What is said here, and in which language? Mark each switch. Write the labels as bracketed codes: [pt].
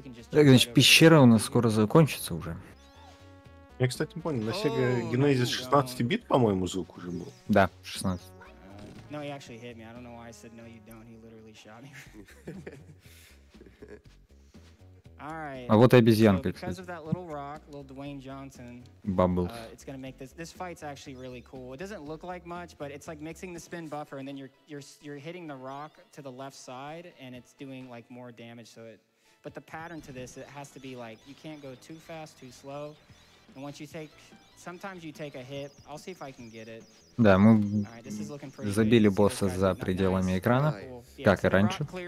[ru] Так, значит, пещера у нас скоро закончится уже. Я, кстати, понял, на Sega Genesis 16 бит, по-моему, звук уже был. Да, 16. [en] No, he actually hit me. I don't know why I said no, you don't. He literally shot me. All right. [ru] А вот и обезьянка, кстати. [en] Because of that little rock, little Dwayne Johnson. Bumbles. It's gonna make this fight's actually really cool. It doesn't look like much, but it's like mixing the spin buffer, and then you're hitting the rock to the left side, and it's doing like more damage. But the pattern to this, it has to be like you can't go too fast, too slow. And once you take, sometimes you take a hit. I'll see if I can get it. [ru] Да, мы забили босса за пределами экрана, как и раньше.